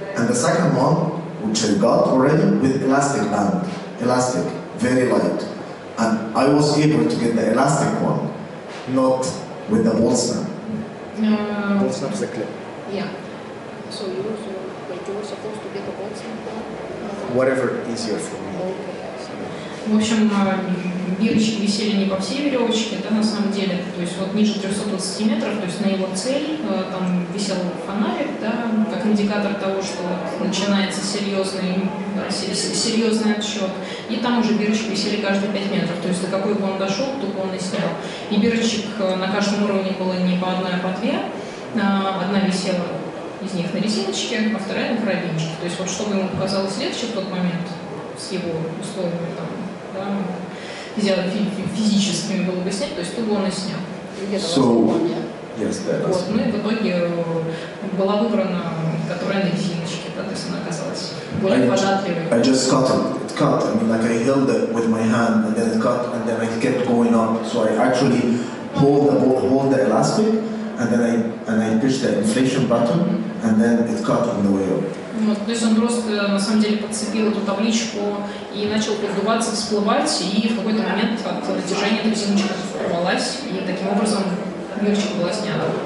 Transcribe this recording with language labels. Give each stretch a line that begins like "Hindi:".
English: And the second one, which I got already, with elastic band. Elastic, very light. And I was able to get the elastic one. Not with the ball snap. Ball snap is a clip. Yeah. So you were supposed to get a ball snap? Whatever easier for me.
Russian: В общем, бирочки висели не по всей веревочке, да, на самом деле. То есть вот ниже 320 метров, то есть на его цель, там висел фонарик, да, как индикатор того, что начинается серьезный отсчет. И там уже бирочки висели каждые 5 метров, то есть до какой бы он дошел, только он и снял. И бирочек на каждом уровне было не по одной, а по две. Одна висела из них на резиночке, а вторая на карабинчике. То есть вот что бы ему показалось легче в тот момент с его условиями, там, да, физическими было бы снять, то есть туго он и снял.
English: So,
Russian: вот, ну и в итоге была выбрана, которая на резиночке, да, то есть она оказалась более податливой.
English: I just cut it. It cut. I mean, like I held it with my hand, and then it cut, and then I kept going up. So I actually hold the elastic, and then I push the inflation button, and then it cut on the way up.
Russian: Вот, то есть он просто, на самом деле, подцепил эту табличку и начал поддуваться, всплывать, и в какой-то момент от натяжения эта резиночка порвалась, и таким образом мерчик была снята.